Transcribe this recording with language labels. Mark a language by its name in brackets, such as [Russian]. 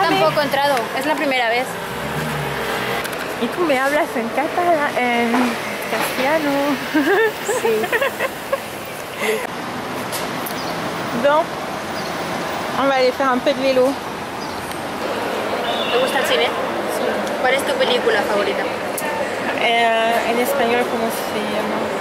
[Spanish] Encontrado, es la primera vez. Y tú me hablas en catalán, en castellano. Sí. [French] Donc, on va aller faire un peu de vélo. [Spanish] ¿Te gusta el cine? Sí. ¿Cuál es tu película favorita? En español, ¿cómo se llama?